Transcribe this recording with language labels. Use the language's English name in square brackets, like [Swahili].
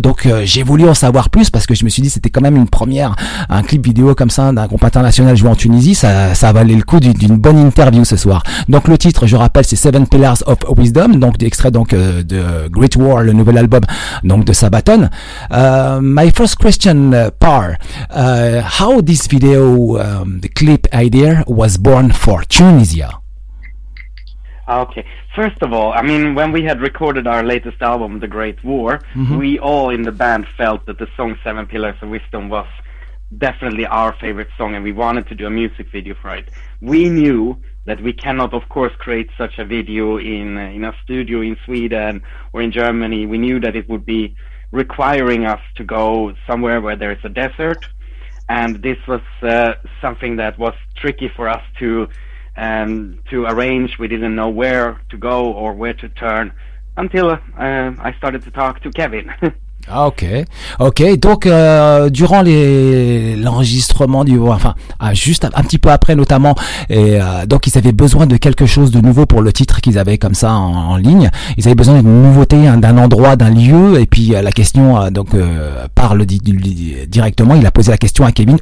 [French] Donc j'ai voulu en savoir plus parce que je me suis dit c'était quand même une première, un clip vidéo comme ça d'un groupe international joué en Tunisie, ça valait le coup d'une bonne interview ce soir. Donc le titre, je rappelle, c'est Seven Pillars of Wisdom, donc d'extrait donc de Great War, le nouvel album donc de Sabaton. [English] My first question, Par, how this video, the clip idea was born for Tunisia? Okay, first of all, I mean, when we had recorded our latest album, The Great War, mm-hmm. we all in the band felt that the song Seven Pillars of Wisdom was definitely our favorite song and we wanted to do a music video for it. We knew that we cannot, of course, create such a video in a studio in Sweden or in Germany. We knew that it would be requiring us to go somewhere where there is a desert. And this was something that was tricky for us to arrange. We didn't know where to go or where to turn until I started to talk to Kevin. Ok. [French] Donc, durant l'enregistrement du, enfin, juste un petit peu après, notamment, et donc ils avaient besoin de quelque chose de nouveau pour le titre qu'ils avaient comme ça en ligne. Ils avaient besoin d'une nouveauté, hein, d'un endroit, d'un lieu. Et puis la question, donc, parle directement. Il a posé la question à Kevin.